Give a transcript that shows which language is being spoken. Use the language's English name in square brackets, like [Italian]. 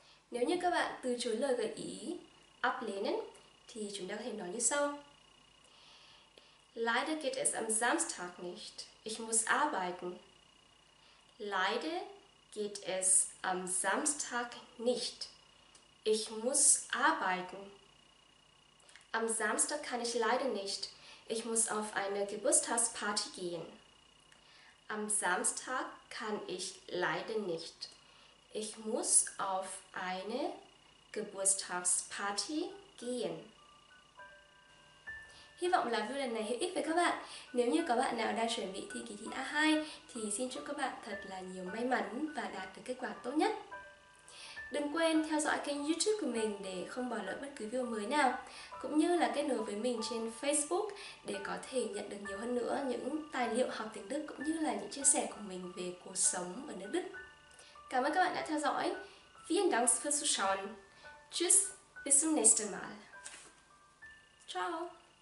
[Vietnamese] Nếu như các bạn từ chối lời gợi ý ablehnen, thì chúng ta có thể nói như sau. [German] Leider geht es am Samstag nicht. Ich muss arbeiten. Leider geht es am Samstag nicht. Ich muss arbeiten. Am Samstag kann ich leider nicht. Ich muss auf eine Geburtstagsparty gehen. Am Samstag kann ich leider nicht. Ich muss auf eine Geburtstagsparty gehen. [Vietnamese] Hy vọng là video này hữu ích với các bạn. Nếu như các bạn nào đang chuẩn bị thi kỳ thi A2 thì xin chúc các bạn thật là nhiều may mắn và đạt được kết quả tốt nhất. Đừng quên theo dõi kênh YouTube của mình để không bỏ lỡ bất cứ video mới nào, cũng như là kết nối với mình trên Facebook để có thể nhận được nhiều hơn nữa những tài liệu học tiếng Đức cũng như là những chia sẻ của mình về cuộc sống ở nước Đức. Cảm ơn các bạn đã theo dõi. [German] Vielen Dank fürs Zuschauen. Tschüss, bis zum nächsten Mal. Ciao.